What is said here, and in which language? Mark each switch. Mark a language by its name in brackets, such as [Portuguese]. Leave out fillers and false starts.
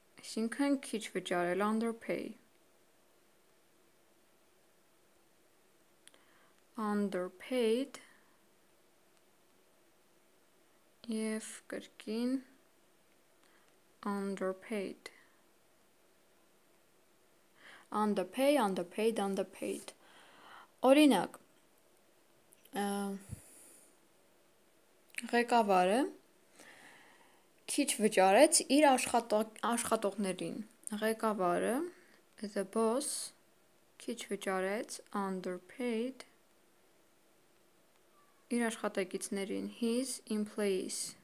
[Armenian] Այսինքն քիչ վճարել, [English] underpay։ Underpaid [Armenian] և կրկին [English] underpaid. Underpay, underpaid, underpaid. [Armenian] Օրինակ, ղեկավարը քիչ վճարեց իր աշխատողներին։ Ղեկավարը, [English] the boss, [Armenian] քիչ վճարեց, [English] underpaid, [Armenian] իր աշխատակիցներին, [English] his employees.